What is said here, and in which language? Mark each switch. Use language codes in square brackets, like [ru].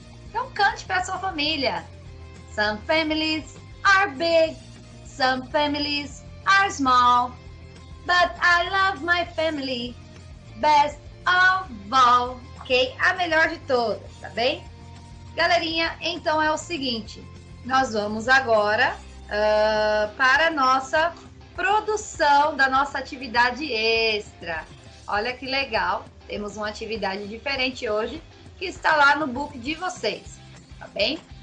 [pt] Então cante para sua família. [en] Some families are big, some families are small, but I love my family best of all. [pt] Ok? A melhor de todas, tá bem? Galerinha, então é o seguinte. Nós vamos agora para a nossa produção da nossa atividade extra. Olha que legal, temos uma atividade diferente hoje que está lá no book de vocês, tá bem?